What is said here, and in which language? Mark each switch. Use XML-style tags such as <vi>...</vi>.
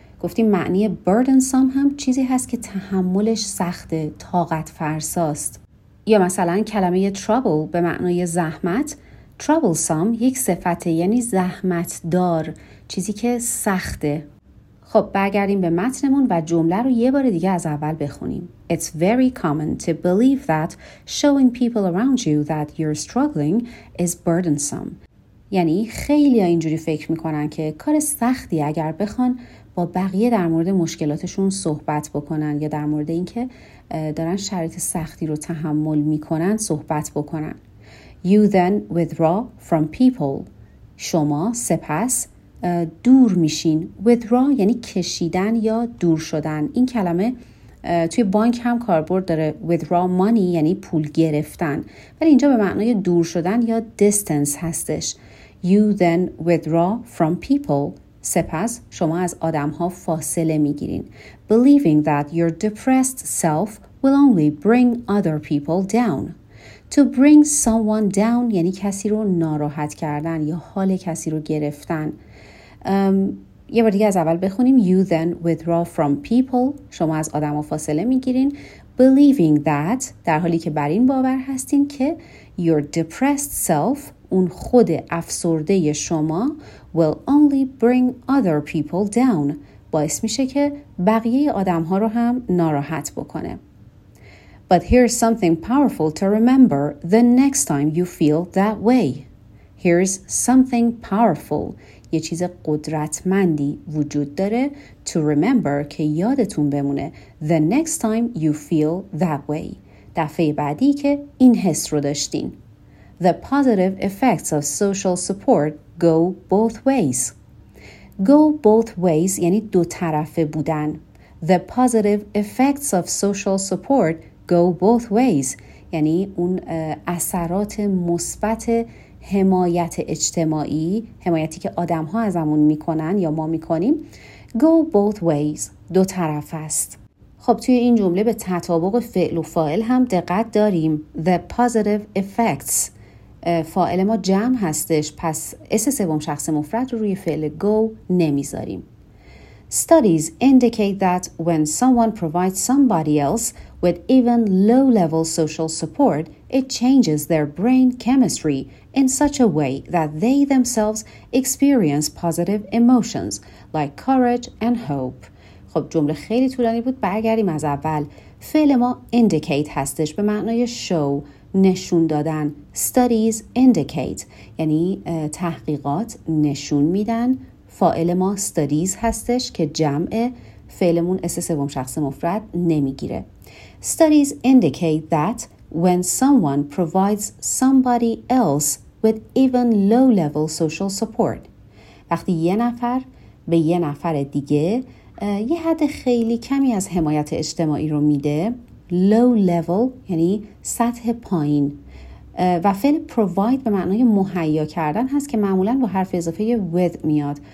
<fa>گفتیم معنی burdensome هم چیزی هست که تحملش سخته, طاقت فرساست. یا مثلا کلمه trouble به معنای زحمت, troublesome یک صفته یعنی زحمت دار, چیزی که سخته. خب برگردیم به متنمون و جمله رو یه بار دیگه از اول بخونیم.</fa> <en>It's very common to believe that showing people around you that you're struggling is burdensome.</en> <fa>یعنی خیلی ها اینجوری فکر میکنن که کار سختی اگر بخوان با بقیه در مورد مشکلاتشون صحبت بکنن یا در مورد اینکه دارن شرایط سختی رو تحمل میکنن صحبت بکنن.</fa> <en>You then withdraw from people.</en> <fa>شما سپس دور میشین. Withdraw یعنی کشیدن یا دور شدن. این کلمه توی بانک هم کاربرد داره.</fa> <en>Withdraw money</en> <fa>یعنی پول گرفتن, ولی اینجا به معنای دور شدن یا distance هستش.</fa> <en>You then withdraw from people.</en> <fa>سپس شما از آدم ها فاصله میگیرین.</fa> <en>Believing that your depressed self will only bring other people down. To bring someone down</en> <fa>یعنی کسی رو ناراحت کردن یا حال کسی رو گرفتن. یه بار دیگه از اول بخونیم.</fa> <en>You then withdraw from people.</en> <fa>شما از آدم ها فاصله میگیرین.</fa> <en>Believing that,</en> <fa>در حالی که بر این باور هستین که</fa> <en>your depressed self,</en> <fa>اون خود افسرده شما,</fa> <en>will only bring other people down,</en> <fa>باعث میشه که بقیه آدم ها رو هم ناراحت بکنه.</fa> <en>But here's something powerful to remember the next time you feel that way. Here's something powerful.</en> <fa>یه چیز قدرتمندی وجود داره</fa> <en>to remember</en> <fa>که یادتون بمونه</fa> <en>the next time you feel that way.</en> <fa>دفعه بعدی که این حس رو داشتین.</fa> <en>The positive effects of social support go both ways. Go both ways</en> <fa>یعنی دو طرفه بودن.</fa> <en>The positive effects of social support go both ways.</en> <fa>یعنی اون اثرات مثبت حمایت اجتماعی، حمایتی که آدم ها ازمون میکنن یا ما میکنیم،</fa> <en>go both ways،</en> <fa>دو طرف است. خب توی این جمله به تطابق فعل و فاعل هم دقت داریم.</fa> <en>The positive effects،</en> <fa>فاعل ما جمع هستش، پس اس سوم شخص مفرد رو روی فعل go نمیذاریم.</fa> <en>Studies indicate that when someone provides somebody else with even low-level social support, it changes their brain chemistry in such a way that they themselves experience positive emotions like courage and hope.</en> <fa>خب جمله خیلی طولانی بود، برگردیم از اول. فعل ما indicate هستش به معنای show، نشون دادن.</fa> <en>Studies indicate</en> <fa>یعنی تحقیقات نشون میدن. فاعل ما studies هستش که جمع، فعلمون اس سوم شخص مفرد نمیگیره.</fa> <en>Studies indicate that when someone provides somebody else with even low-level social support.</en> <fa>وقتی یه نفر به یه نفر دیگه یه حد خیلی کمی از حمایت اجتماعی رو میده، low-level یعنی سطح پایین، و فعل provide به معنای مهیا کردن هست که معمولاً با حرف اضافه with میاد.</fa>